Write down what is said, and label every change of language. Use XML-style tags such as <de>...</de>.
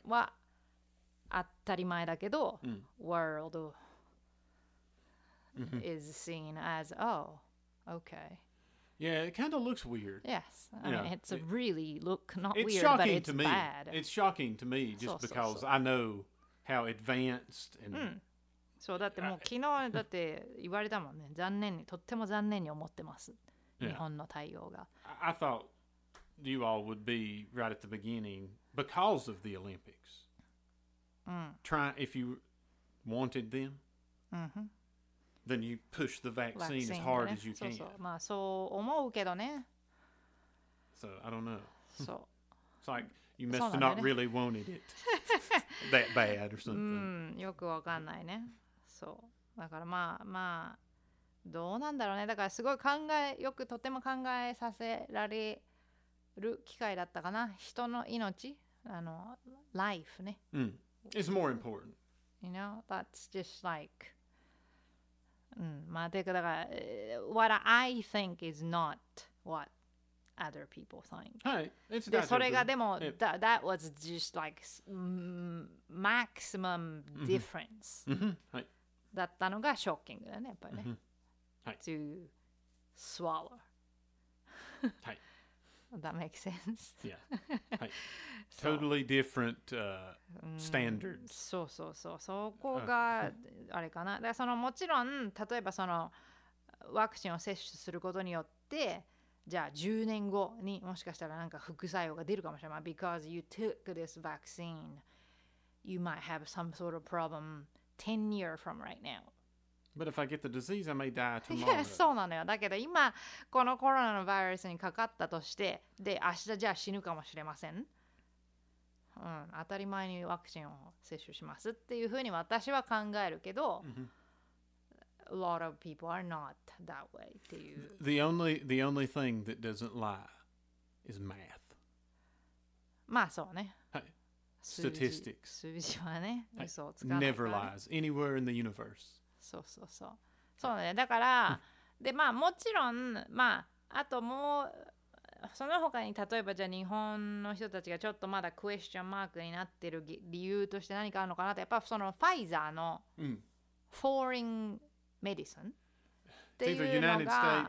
<ja>は当たり前だけど、</ja> <en>world is seen as, oh, okay. Yeah, it kind of looks weird. Yes, I mean, it's really look not it's weird, but it's to bad. Me. It's shocking to me, just so, because so. I know how advanced and...</en> <ja>So, だってもう昨日だって言われたもんね。残念に、とっても残念に思ってます。日本の対応が。</ja> <en>I thought you all would be right at the beginning because of the Olympics. Try if you wanted them,、then you push the vaccine as hard、</en> <ja>ね、</ja> <en>as you can.</en> <ja>そうそう、まあそう思うけどね。</ja> <en>So I don't know. So it's like you must have、ね、not really wanted it that bad or something.</en> <ja>よくわかんないね。そうだからまあまあどうなんだろうね。だからすごい考えよくとても考えさせられる機会だったかな。人の命あの life ね。</ja> <en>It's more important. You know, that's just like... What I think is not what other people think. Hey, it's not true. That was just like maximum difference. That was shocking, right? To swallow. That makes sense. Yeah. Totally different standards.</en> <ja>そうそうそう。そこがあれかな。だからそのもちろん、例えばそのワクチンを接種することによって、じゃあ10年後にもしかしたらなんか副作用が出るかもしれない。</ja> <en>Because you took this vaccine, you might have some sort of problem 10 years from right now. But if I get the disease, I may die tomorrow.</en> <ja>Yeah, そうなのよ。だけど今このコロナのバイルスにかかったとして、で明日じゃあ死ぬかもしれません。当たり前にワクチンを接種しますっていうふうに私は考えるけど、</ja> <en>a lot of people are not that way</en> <ja>っていう。</ja> <en>The only thing that doesn't lie is math.</en> <ja>まあそうね。</ja> <en>Hey. Statistics.</en> <ja>数字はね、嘘をつかない。</ja> <en>Never lies anywhere in the universe.</en> <ja>そうそうそう。そうね。だから、で、まあもちろん、まあ、あともう、その他に例えばじゃあ日本の人たちがちょっとまだクエスチョンマークになってる理由として何かあるのかなって、やっぱそのファイザーの、フォーリンメディスンっていうのが、</ja>